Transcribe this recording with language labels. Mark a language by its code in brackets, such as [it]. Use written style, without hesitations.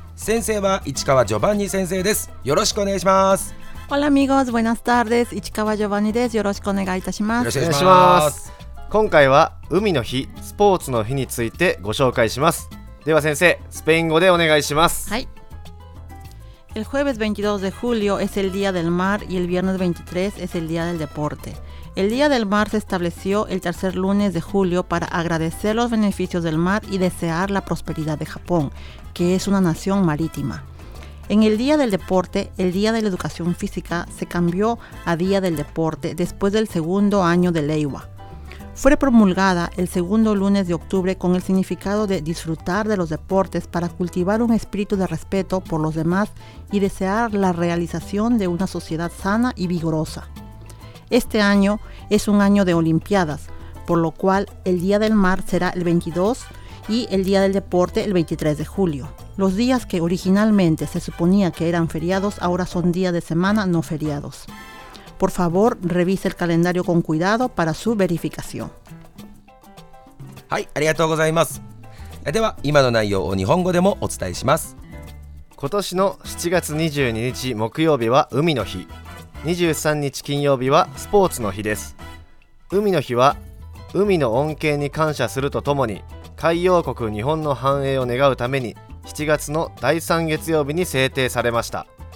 [ja] 先生は市川ジョバンニ先生です。よろしくお願いします。 [es] Hola amigos, buenas tardes, [ja] 市川ジョバンニです。よろしくお願いいたします。よろしくお願いします。今回は海の日、スポーツの日についてご紹介します。では先生、スペイン語でお願いします。はい。 [es] El jueves 22 de julio es el día del mar y el viernes 23 es el día del deporte. El día del mar se estableció el tercer lunes de julio para agradecer los beneficios del mar y desear la prosperidad de Japón, que es una nación marítima. En el día del deporte, el día de la educación física se cambió a día del deporte después del segundo año de Leiwa. Fue promulgada el segundo lunes de octubre con el significado de disfrutar de los deportes para cultivar un espíritu de respeto por los demás y desear la realización de una sociedad sana y vigorosa. Este año es un año de Olimpiadas, por lo cual el Día del Mar será el 22 y el Día del Deporte el 23 de julio. Los días que originalmente se suponía que eran feriados ahora son días de semana no feriados. Por favor, revise el calendario con cuidado para su verificación. [ja] はい、ありがとうございます。では今の内容を日本語でもお伝えします。今年の7月22日木曜日は海の日、23日金曜日はスポーツの日です。海の日は海の恩恵に感謝するとともに海洋国日本の繁栄を願うために7月の第3月曜日に制定されました。